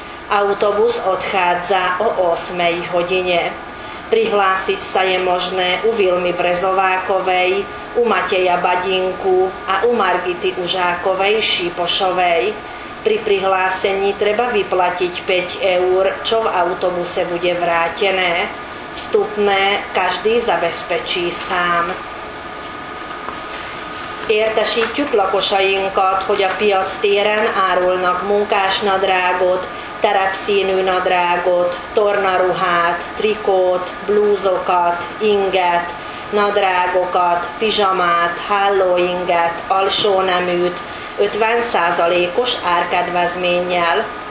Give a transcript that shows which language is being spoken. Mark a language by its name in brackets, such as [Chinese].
[Slovak] Autobus odchádza o 8. hodine. Prihlásiť sa je možné u Vilmy Brezovákovej, u Mateja Badinku a u Margity Užákovej Šípošovej. Pri prihlásení treba vyplatiť 5 eur, čo v autobuse bude vrátené. Vstupné každý zabezpečí sám. [Hungarian] Értesítjük lakosainkat, hogy a piac téren árulnak munkásnadrágot, terepszínű nadrágot, tornaruhát, trikót, blúzokat, inget, nadrágokat, pizsamát, hálóinget, alsóneműt 50%-os árkedvezménnyel.